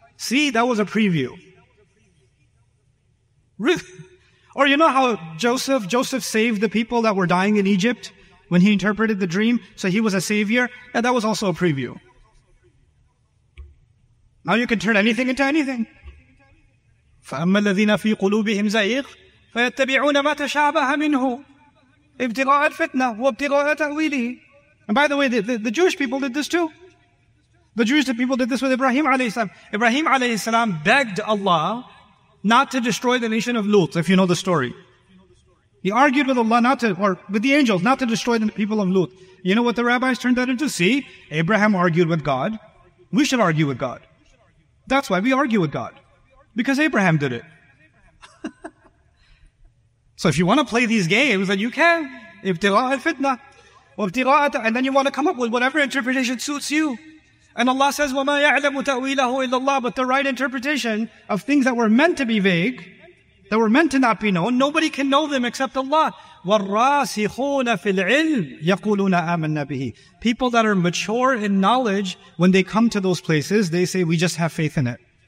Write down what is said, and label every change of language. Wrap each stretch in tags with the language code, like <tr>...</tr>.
<en>See, that was a preview. Really? Or you know how Joseph saved the people that were dying in Egypt when he interpreted the dream, so he was a savior? Yeah, that was also a preview. Now you can turn anything into anything.</en> <ar>فَأَمَّا الَّذِينَ فِي قُلُوبِهِمْ زَيْغٌ فَيَتَّبِعُونَ مَا تَشَابَهَ مِنْهُ ابْتِغَاءَ الْفِتْنَةِ وَابْتِغَاءَ تَأْوِيلِهِ.</ar> <en>And by the way, the Jewish people did this too. The Jews, the people did this with Ibrahim alayhi salam. Ibrahim alayhi salam begged Allah not to destroy the nation of Lut, if you know the story. He argued with Allah not to, or with the angels, not to destroy the people of Lut. You know what the rabbis turned that into? See, Abraham argued with God. We should argue with God. That's why we argue with God. Because Abraham did it. So if you want to play these games, then you can. Ibtigha' al-fitna. Wabtigha'at, and then you want to come up with whatever interpretation suits you. And Allah says,</en> <ar>وَمَا يَعْلَمُ تَأْوِيلَهُ إِلَّا اللَّهُ.</ar> <en>But the right interpretation of things that were meant to be vague, that were meant to not be known, nobody can know them except Allah.</en> <ar>وَالرَّاسِخُونَ فِي الْعِلْمِ يَقُولُونَ آمَنَّا بِهِ.</ar> <en>People that are mature in knowledge, when they come to those places, they say, we just have faith in it.</en>